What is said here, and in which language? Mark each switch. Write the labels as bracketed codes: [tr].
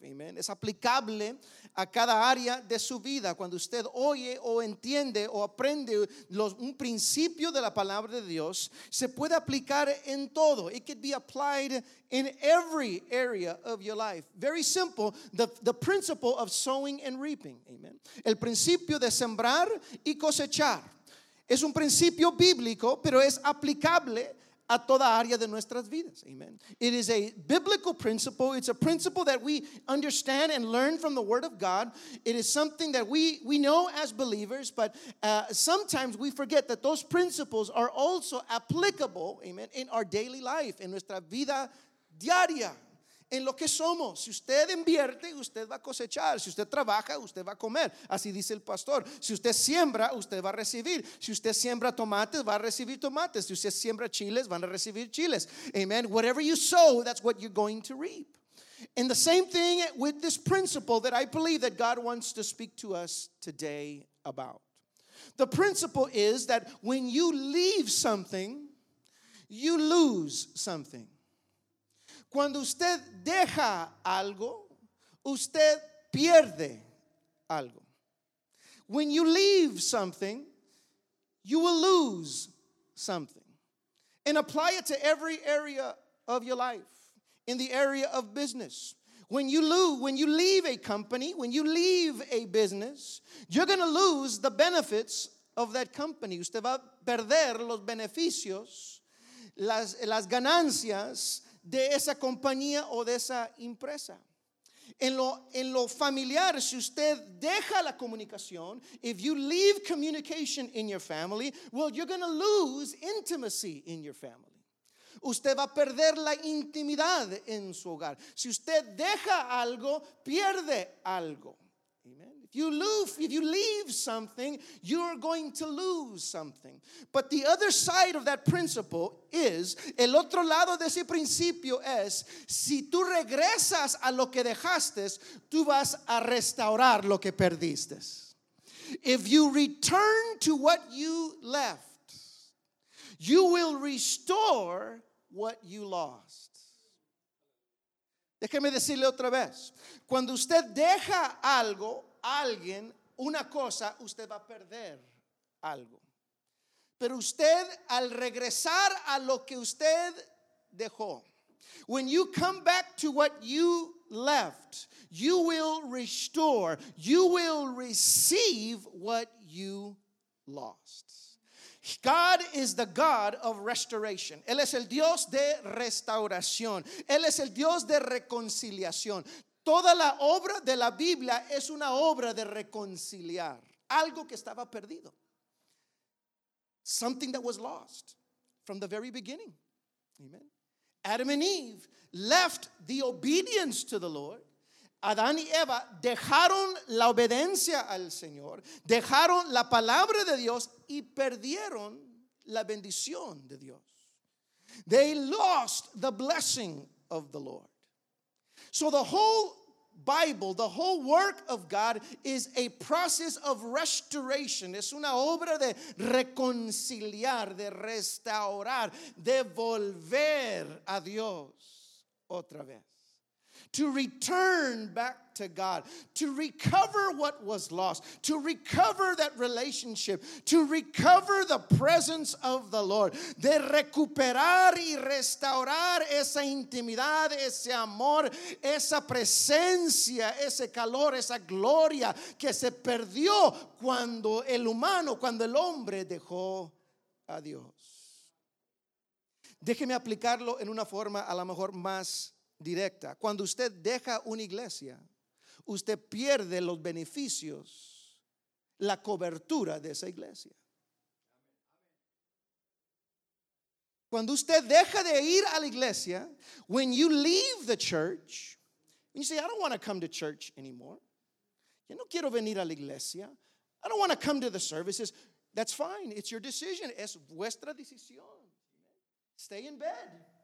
[en] Amen. [es] Es aplicable a cada área de su vida. Cuando usted oye o entiende o aprende un principio de la palabra de Dios, se puede aplicar en todo. [en] It could be applied in every area of your life. Very simple. The principle of sowing and reaping. Amen. [es] El principio de sembrar y cosechar es un principio bíblico, pero es aplicable a toda área de nuestras vidas. [en] Amen. It is a biblical principle. It's a principle that we understand and learn from the Word of God. It is something that we know as believers, but sometimes we forget that those principles are also applicable, amen, in our daily life, [es] en nuestra vida diaria. En lo que somos, si usted invierte, usted va a cosechar. Si usted trabaja, usted va a comer. Así dice el pastor. Si usted siembra, usted va a recibir. Si usted siembra tomates, va a recibir tomates. Si usted siembra chiles, van a recibir chiles. [en] Amen. Whatever you sow, that's what you're going to reap. And the same thing with this principle that I believe that God wants to speak to us today about. The principle is that when you leave something, you lose something. [es] Cuando usted deja algo, usted pierde algo. [en] When you leave something, you will lose something. And apply it to every area of your life, in the area of business. When you leave a company, when you leave a business, you're going to lose the benefits of that company. [es] Usted va a perder los beneficios, las ganancias de esa compañía o de esa empresa. En lo familiar, si usted deja la comunicación, [en] if you leave communication in your family, well, you're going to lose intimacy in your family. [es] Usted va a perder la intimidad en su hogar. Si usted deja algo, pierde algo. Amen. [en] If you leave something, you're going to lose something. But the other side of that principle is, [es] el otro lado de ese principio es, si tú regresas a lo que dejaste, tú vas a restaurar lo que perdiste. [en] If you return to what you left, you will restore what you lost. [es] Déjeme decirle otra vez. Cuando usted deja algo, alguien, una cosa, usted va a perder algo. Pero usted, al regresar a lo que usted dejó, [en] when you come back to what you left, you will restore, you will receive what you lost. God is the God of restoration. [es] Él es el Dios de restauración. Él es el Dios de reconciliación. Toda la obra de la Biblia es una obra de reconciliar algo que estaba perdido. [en] Something that was lost from the very beginning. Amen. Adam and Eve left the obedience to the Lord. [es] Adán y Eva dejaron la obediencia al Señor, dejaron la palabra de Dios y perdieron la bendición de Dios. [en] They lost the blessing of the Lord. So the whole Bible, the whole work of God is a process of restoration. [es] Es una obra de reconciliar, de restaurar, de volver a Dios otra vez. [en] To return back to God, to recover what was lost, to recover that relationship, to recover the presence of the Lord, [es] de recuperar y restaurar esa intimidad, ese amor, esa presencia, ese calor, esa gloria que se perdió cuando el humano, cuando el hombre dejó a Dios. Déjeme aplicarlo en una forma a lo mejor más directa. Cuando usted deja una iglesia, usted pierde los beneficios, la cobertura de esa iglesia. Cuando usted deja de ir a la iglesia, [en] when you leave the church, when you say, I don't want to come to church anymore. [es] Yo no quiero venir a la iglesia. [en] I don't want to come to the services. That's fine. It's your decision. [es] Es vuestra decisión. [en] Stay in bed.